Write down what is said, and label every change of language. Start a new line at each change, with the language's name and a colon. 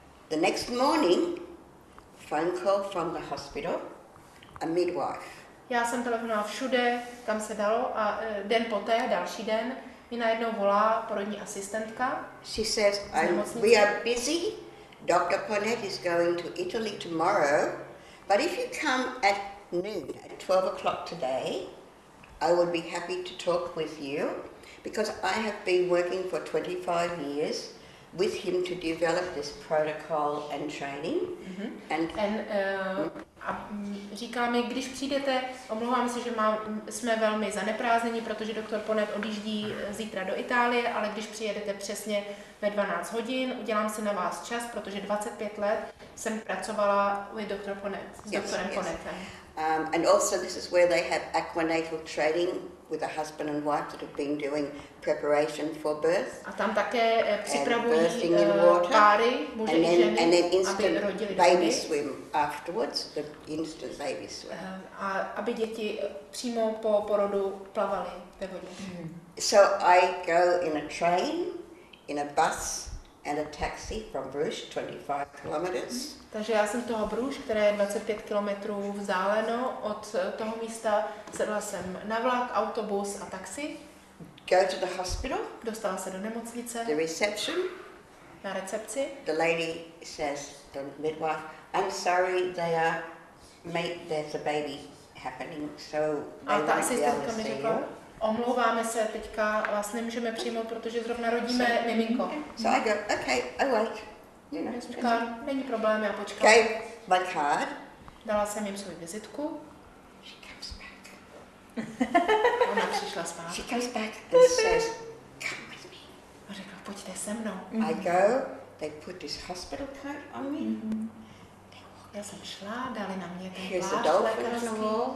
English: The next morning, phone call from the hospital, a midwife.
Czech: Já jsem telefonovala všude, kam se dalo, a den poté, další den, mi najednou volá porodní asistentka.
English: She says, we are busy. Dr. Ponet is going to Italy tomorrow, but if you come at noon, at 12 o'clock today, I would be happy to talk with you, because I have been working for 25 years with him to develop this protocol and training. Mm-hmm.
Czech: A říká mi, když přijdete, omlouvám se, že jsme velmi zaneprázdnění, protože doktor Ponet odjíždí zítra do Itálie, ale když přijedete přesně ve 12 hodin, udělám si na vás čas, protože 25 let jsem pracovala
English: with Dr.
Czech: Ponet, s doktorem Ponetem.
English: And also this is where they have aquanatal training with a husband and wife that have been doing preparation for birth.
Czech: A tam také připravují páry, muži a ženy,
English: and then instant baby swim afterwards, the instant baby swim.
Czech: A aby děti přímo po porodu plavaly ve vodě.
English: So I go in a train, in a bus and a taxi from Bruges, 25 kilometers.
Czech: Takže já jsem toho Bruges, které je 25 kilometrů vzdáleno od toho místa, sedla jsem na vlak, autobus a taxi.
English: Go to the hospital.
Czech: Dostala se do nemocnice.
English: The reception.
Czech: Na recepci.
English: The lady says, the midwife, I'm sorry, they are, mate, there's a baby happening, so they won't be able to see you.
Czech: Omlouváme se, teďka vás nemůžeme přijmout, protože zrovna rodíme miminko.
English: So I go, okay, I wait.
Czech: Říká, není problém, já počkám.
English: Okay, my card.
Czech: Dala jsem jim svou vizitku.
English: She comes back.
Czech: Ona přišla zpátky.
English: She comes back and says, come with me.
Czech: A řekla, pojďte se mnou.
English: I go, they put this hospital card on me.
Czech: Já jsem šla, dali na mě ten váš lékařský.